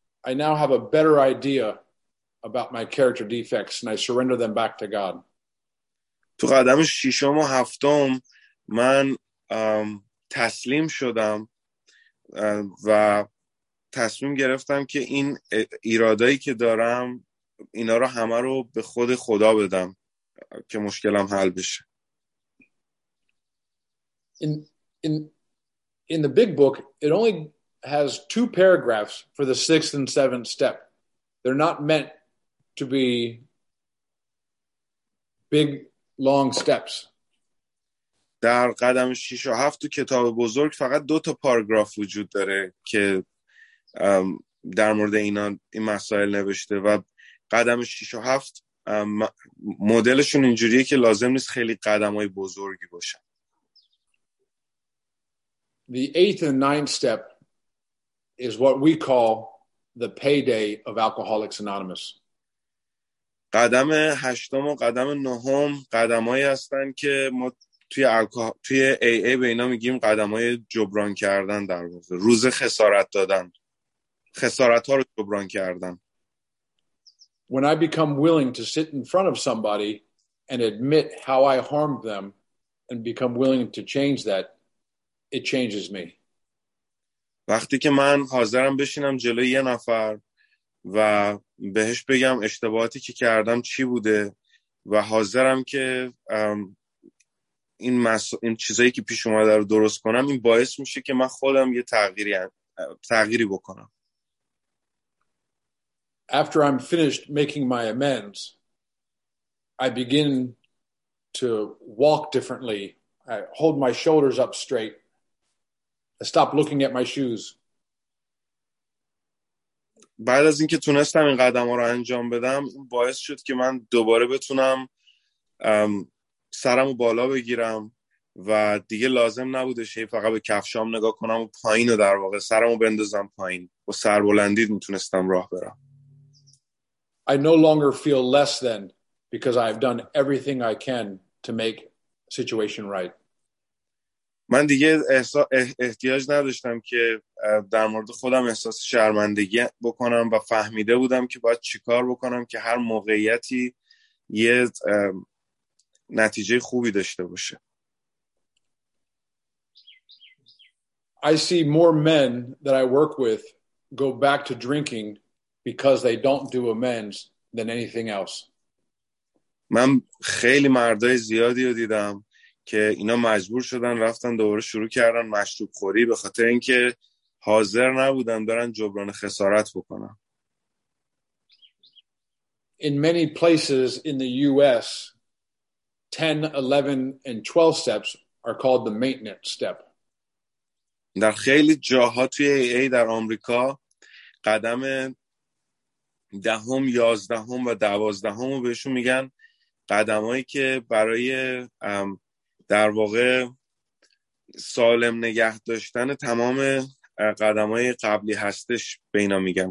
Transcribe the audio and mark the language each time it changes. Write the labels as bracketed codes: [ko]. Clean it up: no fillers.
[en] I now have a better idea about my character defects and I surrender them back to God. [fa] تو قدم ششم و هفتم من تسلیم شدم و تصمیم گرفتم که این ایرادایی که دارم اینا رو همه رو به خود خدا بدم که مشکلم حل بشه. [en] In the big book it only has two paragraphs for the sixth and seventh step. They're not meant to be big long steps. [fa] در قدم 6 و 7 تو کتاب بزرگ فقط دو تا پاراگراف وجود داره که در مورد اینا این مسائل نوشته و قدم 6 و 7 مدلشون اینجوریه که لازم نیست خیلی قدمای بزرگی باشن. [en] The 8th and 9th step is what we call the payday of Alcoholics Anonymous. [fa] قدم 8 و قدم 9 قدمایی هستن که ما توی AA به اینا میگیم قدمای جبران کردن، در واقع روز خسارت دادن، خسارت ها رو جبران کردن. [en] When I become willing to sit in front of somebody and admit how I harmed them and become willing to change that, it changes me. [fa] وقتی که من حاضرم بشینم جلوی یه نفر و بهش بگم اشتباهاتی که کردم چی بوده و حاضرم که این چیزایی که پیش اومده رو درست کنم، این باعث میشه که من خودم یه تغییری بکنم. [en] After I'm finished making my amends, I begin to walk differently. I hold my shoulders up straight. I stop looking at my shoes. [fa] بعد از اینکه تونستم این قدم ها رو انجام بدم، این باعث شد که من دوباره بتونم سرم رو بالا بگیرم و دیگه لازم نبودش فقط به کفشام نگاه کنم و پایین رو، در واقع سرم رو بندازم پایین و سربلندی میتونستم راه برم. [en] I no longer feel less than because I've done everything I can to make situation right. [fa] من دیگه احتیاج نداشتم که در مورد خودم احساس شرمندگی بکنم و فهمیده بودم که باید چیکار بکنم که هر موقعیتی یه نتیجه خوبی داشته باشه. [en] I see more men that I work with go back to drinking because they don't do amends than anything else. [fa] من خیلی مردای زیادی رو دیدم که اینا مجبور شدن رفتن دوباره شروع کردن مشروب خوری به خاطر اینکه حاضر نبودن برن جبران خسارت بکنن. [en] In many places in the US, 10, 11 and 12 steps are called the maintenance step. [fa] در خیلی جاها توی AA در آمریکا قدم دهم، یازدهم و دوازدهم رو بهشون میگن قدمایی که برای در واقع سالم نگه داشتن تمام قدمای قبلی هستش به اینا میگن.